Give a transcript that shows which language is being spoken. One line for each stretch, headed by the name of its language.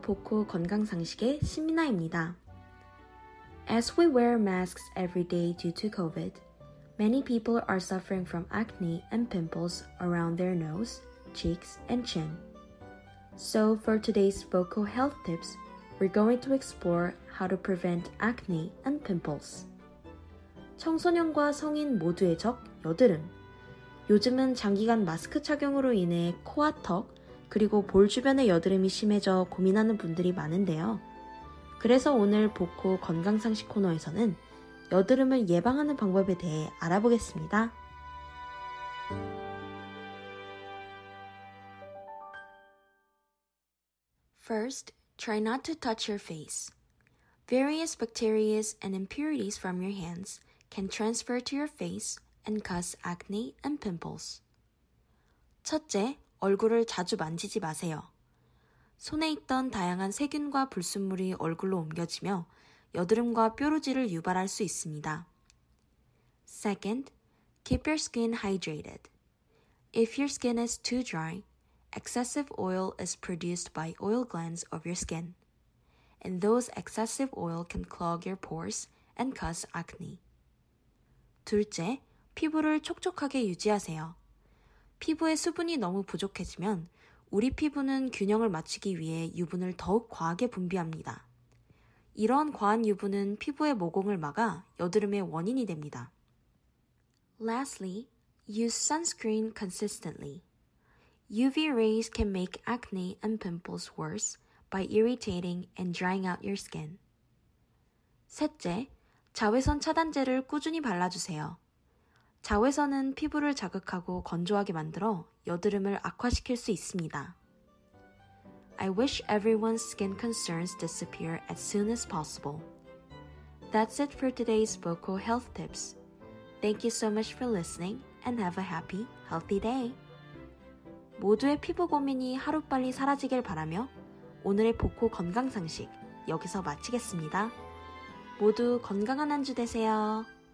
Korean: 보코 건강 상식의 신미나입니다.
English: As we wear masks every day due to COVID, many people are suffering from acne and pimples around their nose, cheeks, and chin. So for today's Boko health tips, we're going to explore how to prevent acne and pimples.
Korean: 청소년과 성인 모두의 적 여드름. 요즘은 장기간 마스크 착용으로 인해 코와 턱, 그리고 볼 주변의 여드름이 심해져 고민하는 분들이 많은데요. 그래서 오늘 보코 건강상식 코너에서는 여드름을 예방하는 방법에 대해 알아보겠습니다.
English: 1st, try not to touch your face. Various bacteria and impurities from your hands can transfer to your face and cause acne and pimples.
Korean: 첫째, 얼굴을 자주 만지지 마세요. 손에 있던 다양한 세균과 불순물이 얼굴로 옮겨지며 여드름과 뾰루지를 유발할 수 있습니다.
English: Second, keep your skin hydrated. If your skin is too dry, excessive oil is produced by oil glands of your skin. And those excessive oil can clog your pores and cause acne.
Korean: 둘째, 피부를 촉촉하게 유지하세요. 피부에 수분이 너무 부족해지면 우리 피부는 균형을 맞추기 위해 유분을 더욱 과하게 분비합니다. 이러한 과한 유분은 피부의 모공을 막아 여드름의 원인이 됩니다.
English: Lastly, use sunscreen consistently. UV rays can make acne and pimples worse by irritating and drying out your skin.
Korean: 셋째, 자외선 차단제를 꾸준히 발라주세요. 자외선은 피부를 자극하고 건조하게 만들어 여드름을 악화시킬 수 있습니다.
English: I wish everyone's skin concerns disappear as soon as possible. That's it for today's Boko Health Tips. Thank you so much for listening and have a happy, healthy day.
Korean: 모두의 피부 고민이 하루빨리 사라지길 바라며 오늘의 보코 건강상식 여기서 마치겠습니다. 모두 건강한 한 주 되세요.